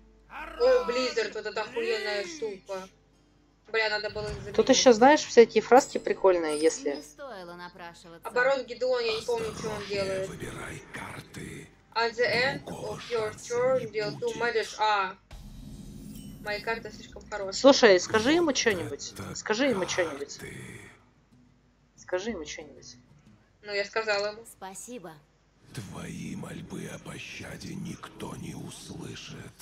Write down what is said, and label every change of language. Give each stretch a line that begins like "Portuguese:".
Russian: О, Близзард, вот эта охуенная штука. Бля, надо было их заменить. Тут еще, знаешь, всякие фразки прикольные, если... Не стоило напрашиваться. Оборот Гидеон, я не помню, что он делает. Выбирай карты.
English: At the end of your turn, deal two magic.
Russian: А, мои карты слишком хорошие. Слушай, скажи ему что-нибудь. Скажи ему что-нибудь. Скажи ему что-нибудь. Ну, я сказала ему. Спасибо. Твои мольбы о пощаде никто не услышит.